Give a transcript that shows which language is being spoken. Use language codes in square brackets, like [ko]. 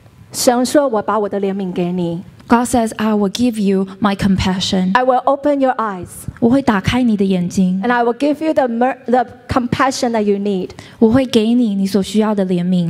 [zh] 神说我把我的怜悯给你, [en] God says, I will give you my compassion. I will open your eyes. [zh] 我会打开你的眼睛, [en] and I will give you the compassion that you need. [zh] 我会给你你所需要的怜悯,